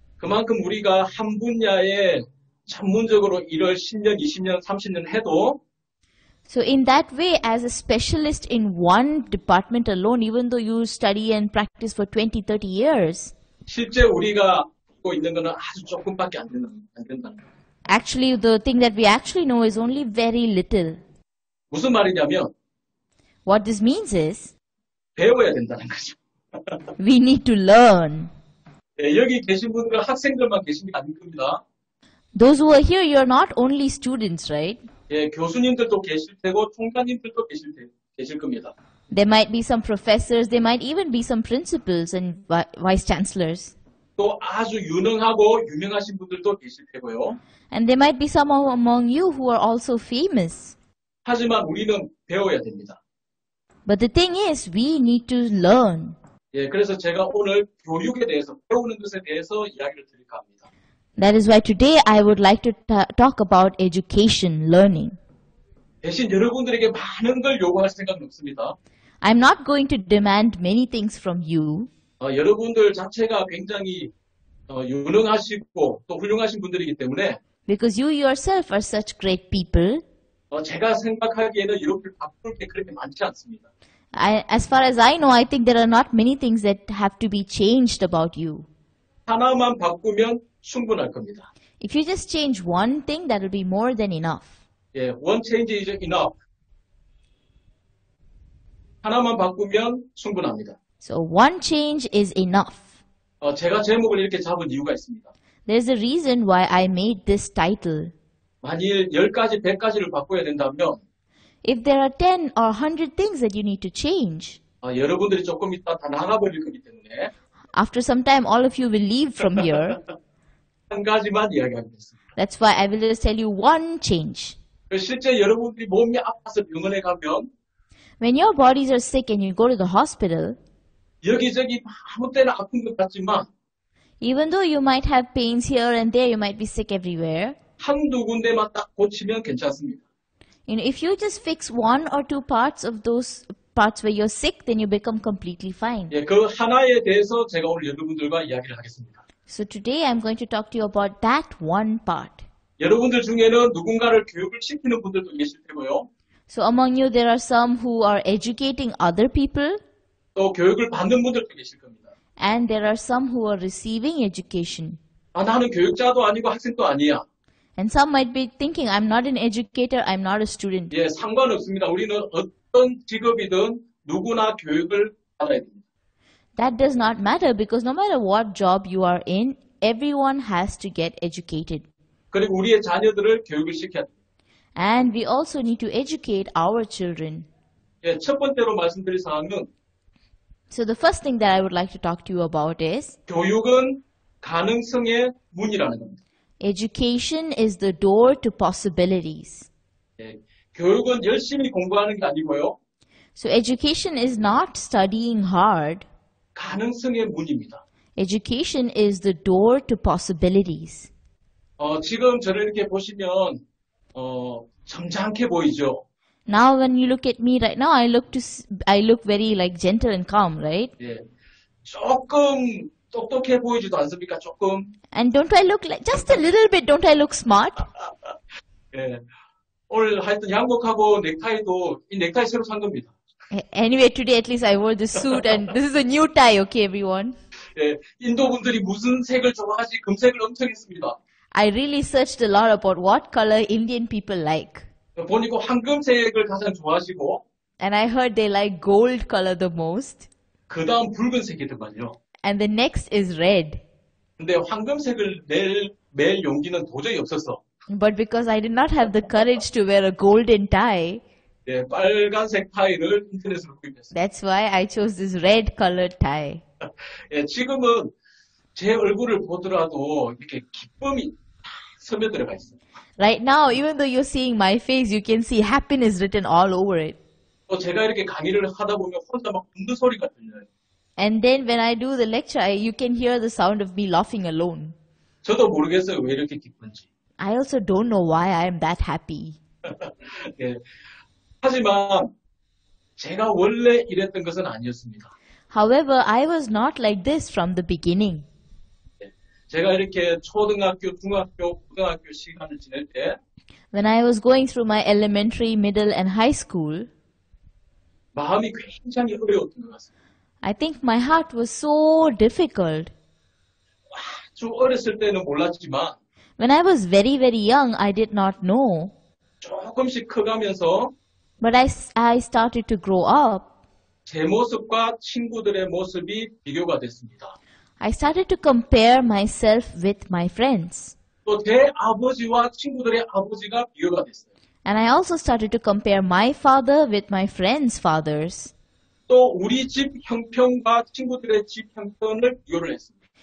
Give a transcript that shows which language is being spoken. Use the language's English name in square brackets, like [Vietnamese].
[Korean] 그만큼 우리가 한 분야에 전문적으로 일을 10년, 20년, 30년 해도 [English] So in that way, as a specialist in one department alone, even though you study and practice for 20, 30 years, [Korean] 실제 우리가 갖고 있는 거는 아주 조금밖에 안 된다는 거예요. [English] Actually, the thing that we actually know is only very little. [Korean] 무슨 말이냐면, [English] What this means is, [Korean] 배워야 된다는 거죠. [English] We need to learn. [Korean] 네, 여기 계신 분들 학생들만 계신 게 아닐 겁니다. [English] Those who are here, you're not only students, right? [Korean] 예, 교수님들도 계실 테고 총장님들도 계실 겁니다. [English] There might be some professors, there might even be some principals and vice chancellors. [Korean] 또 아주 유능하고 유명하신 분들도 계실 테고요. [English] And there might be some among you who are also famous. [Korean] 하지만 우리는 배워야 됩니다. [English] But the thing is, we need to learn. [Korean] 예, 그래서 제가 오늘 교육에 대해서 배우는 것에 대해서 이야기를 드릴까 합니다. [English] That is why today I would like to talk about education, learning. [Korean] 대신 여러분들에게 많은 걸 요구할 생각은 없습니다. [English] I'm not going to demand many things from you. [Korean] 여러분들 자체가 굉장히 유능하시고 또 훌륭하신 분들이기 때문에 [English] Because you yourself are such great people. [Korean] 제가 생각하기에는 이렇게 바꿀 게 그렇게 많지 않습니다. [English] As far as I know, I think there are not many things that have to be changed about you. [Korean] 하나만 바꾸면 충분할 겁니다. [English] If you just change one thing, that will be more than enough. 예, one change is enough. [Korean] 하나만 바꾸면 충분합니다. [English] So one change is enough. [Korean] 제가 제목을 이렇게 잡은 이유가 있습니다. [English] There's a reason why I made this title. [Korean] 만일 10가지, 100가지를 바꿔야 된다면 [English] If there are 10 or 100 things that you need to change, [Korean] 여러분들이 조금 있다 다 나가버릴 거기 때문에 [English] After some time, all of you will leave from here. [Korean] 한 가지만 이야기하겠습니다. [English] That's why I will just tell you one change. [Korean] 실제 여러분들이 몸이 아파서 병원에 가면 [English] When your bodies are sick and you go to the hospital [Korean] 여기저기 아무 때나 아픈 것 같지만 [English] Even though you might have pains here and there, you might be sick everywhere [Korean] 한두 군데만 딱 고치면 괜찮습니다. [English] You know, if you just fix one or two parts of those parts where you're sick, then you become completely fine. [Korean] 예, 그 하나에 대해서 제가 오늘 여러분들과 이야기를 하겠습니다. [English] So today I'm going to talk to you about that one part. [Korean] 여러분들 중에는 누군가를 교육을 시키는 분들도 계실 테고요. [English] So among you there are some who are educating other people. [Korean] 또 교육을 받는 분들도 계실 겁니다. [English] And there are some who are receiving education. [Korean] 아, 나는 교육자도 아니고 학생도 아니야. [English] And some might be thinking I'm not an educator, I'm not a student. [Korean] 예, 상관없습니다. 우리는 어떤 직업이든 누구나 교육을 받아야 됩니다. [English] That does not matter because no matter what job you are in, everyone has to get educated. [Korean] 그리고 우리의 자녀들을 교육을 시켜야 돼요. [English] And we also need to educate our children. [Korean] 예, 첫 번째로 말씀드릴 사항은 [English] So the first thing that I would like to talk to you about is [Korean] 교육은 가능성의 문이라는 겁니다. [English] Education is the door to possibilities. [Korean] 예, 교육은 열심히 공부하는 게 아니고요. [English] So education is not studying hard. [Korean] 가능성의 문입니다. [English] Education is the door to possibilities. [Korean] 지금 저를 이렇게 보시면 점잖게 보이죠. [English] Now when you look at me right now, I look very like gentle and calm, right? [Korean] 예, 조금 똑똑해 보이지도 않습니까? 조금. [English] And don't I look like, just a little bit, don't I look smart? [Korean] 예. 오늘 하여튼 양복하고 넥타이도, 이 넥타이 새로 산 겁니다. [English] Anyway, today at least I wore the suit and this is a new tie, okay, everyone? [Korean] 예. 인도 분들이 무슨 색을 좋아하지? 금색을 엄청 했습니다. [English] I really searched a lot about what color Indian people like. [Korean] 보니까 황금색을 가장 좋아하시고. [English] And I heard they like gold color the most. [Korean] 그 다음 붉은색이더만요. [English] And the next is red. [Korean] 근데 황금색을 낼 용기는 도저히 없었어. [English] But because I did not have the courage to wear a golden tie. [Korean] 네, 빨간색 타이를 인터넷으로 구입했어요. [English] That's why I chose this red colored tie. [Korean] 예, 지금은 제 얼굴을 보더라도 이렇게 기쁨이 스며들어가 있어요. [English] Right now, even though you're seeing my face, you can see happiness written all over it. [Korean] 또 제가 이렇게 강의를 하다 보면 혼자 막 웃는 소리가 들려요. [English] And then when I do the lecture, you can hear the sound of me laughing alone. [Korean] 저도 모르겠어요, 왜 이렇게 기쁜지. [English] I also don't know why I am that happy. [Korean] 예. 하지만 제가 원래 이랬던 것은 아니었습니다. [English] However, I was not like this from the beginning. [Korean] 제가 이렇게 초등학교, 중학교, 고등학교 시간을 지낼 때 [English] When I was going through my elementary, middle and high school [Korean] 마음이 굉장히 어려웠던 것 같습니다. [English] I think my heart was so difficult. [Korean] 아주 어렸을 때는 몰랐지만 [English] When I was very, very young, I did not know [Korean] 조금씩 커가면서 [English] But I started to grow up [Korean] 제 모습과 친구들의 모습이 비교가 됐습니다. [English] I started to compare myself with my friends. [Korean] 또 제 아버지와 친구들의 아버지가 비교가 됐어요. [English] And I also started to compare my father with my friends' fathers. [Korean] 또 우리 집 형편과 친구들의 집 형편을 비교를 했습니다.